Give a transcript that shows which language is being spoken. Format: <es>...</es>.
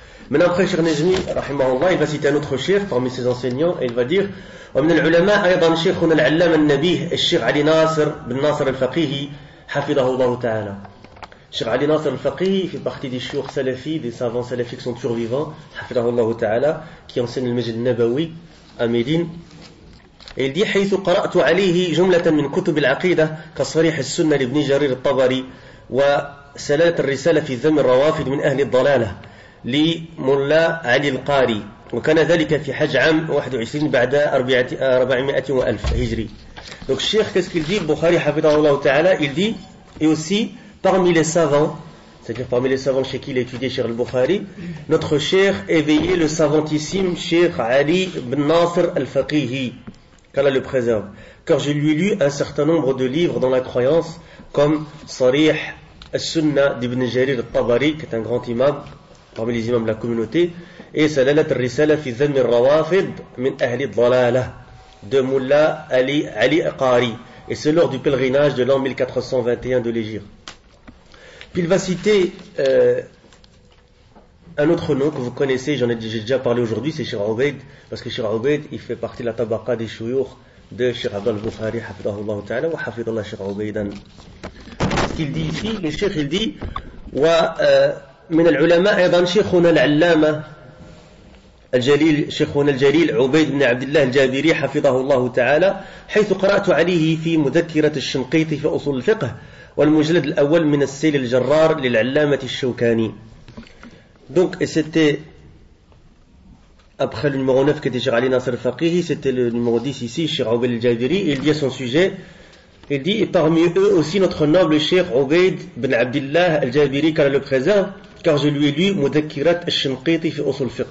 <fr>Maintenant, après Cheikh Najmi, rahimahullah, il va citer un autre cheikh parmi ses enseignants et il va dire:</fr> <ar>ومن العلماء ايضا شيخنا العلامه النبيه الشيخ علي ناصر بن ناصر الفقيهي حفظه الله تعالى.</ar> <fr>Cheikh Ali Nasr al-Faqihi fait partie des chouurs salafis, des savants salafis qui sont toujours vivants,</fr> <ar>حفظه الله تعالى,</ar> <fr>qui enseigne le Masjid Nabawi à Médine. Et il dit:</fr> <ar>حيث قرات عليه جمله من كتب العقيده كصريح السنه لابن جرير الطبري وسلاله الرساله في ذم الروافد من اهل الضلاله لملا علي القاري وكان ذلك في حج عام 21 بعد 400,000 هجري.</ar> <fr>Donc Cheikh, qu'est-ce qu'il dit? Bukhari,</fr> <ar>hafidahullah ta'ala,</ar> <fr>il dit, et aussi parmi les savants, c'est-à-dire parmi les savants chez qui il a étudié Cheikh al-Bukhari, notre Cheikh éveillé le savantissime Cheikh Ali ibn Nasr al-Faqihi, qu'Allah le préserve. Car je lui ai lu un certain nombre de livres dans la croyance, comme Sarih al-Sunna d'Ibn Jarir al-Tabari, qui est un grand imam parmi les imams de la communauté, et Salalat al-Risala fi Zamm al-Rawafid min Ahli al-Dalala de Mullah Ali Aqari. Et c'est lors du pèlerinage de l'an 1421 de l'Hégire. Puis il va citer un autre nom que vous connaissez, j'ai déjà parlé aujourd'hui, c'est Cheikh Obeid, parce que Cheikh Obeid, il fait partie de la tabaka des shuyukh de Cheikh Abdul Bukhari, hafidahullah ta'ala,</fr> <ar>wa hafidallah Cheikh Obeidan.</ar> <fr>Ce qu'il dit ici, le Cheikh, il dit,</fr> <ar>wa min al-ulama aydan Cheikhuna al-allama الجليل شيخنا الجليل عبيد بن عبد الله الجابري حفظه الله تعالى حيث قرأت عليه في مذكرة الشنقيطي في أصول الفقه والمجلد الأول من السيل الجرار للعلامة الشوكاني.</ar> <fr>Donc c'était après le numéro 9 qui était Cheikh Ali Nasr al-Faqih, c'était le numéro 10 ici, Cheikh Obeid al-Jabiri. Il dit à son sujet, il dit, et parmi eux aussi notre noble Cheikh Obeid bin Abdillah al-Jabiri, car le présent, car je lui ai lu Mudakirat al-Shinqiti fi Usul Fiqh.</fr>